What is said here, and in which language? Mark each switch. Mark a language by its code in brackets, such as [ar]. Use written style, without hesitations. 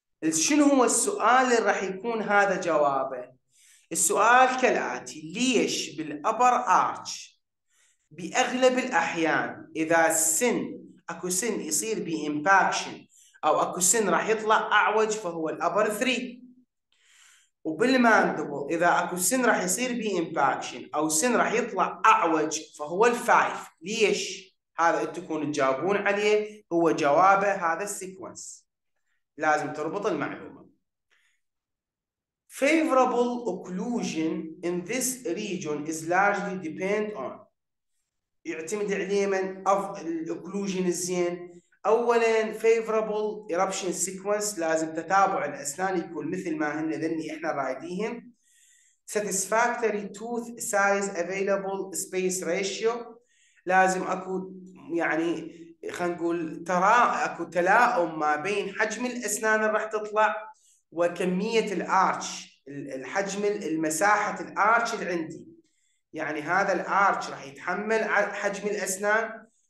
[ar] شنو هو السؤال اللي راح يكون هذا جوابه؟ السؤال كالآتي: ليش بالأبر آرش بأغلب الأحيان إذا السن أكو سن يصير بي إمباكشن أو أكو سن راح يطلع أعوج فهو الأبر ثري، وبالماندبل إذا أكو سن راح يصير بي إمباكشن أو سن راح يطلع أعوج فهو الفايف؟ ليش هذا تكون تجاوبون عليه؟ هو جوابه هذا السيكونس، لازم تربط المعلومة. [en] Favorable occlusion in this region is largely depend on، [ar] يعتمد عليه من [en] of [ar] الاوكلوجين الزين. اولا [en] favorable eruption sequence، [ar] لازم تتابع الاسنان يكون مثل ما هن ذني احنا رايديهم. [en] satisfactory tooth size available space ratio، [ar] لازم اكو يعني خلينا نقول ترى اكو تلاؤم ما بين حجم الاسنان اللي راح تطلع وكميه الارش، الحجم المساحه الارش اللي عندي، يعني هذا الارش راح يتحمل حجم الاسنان.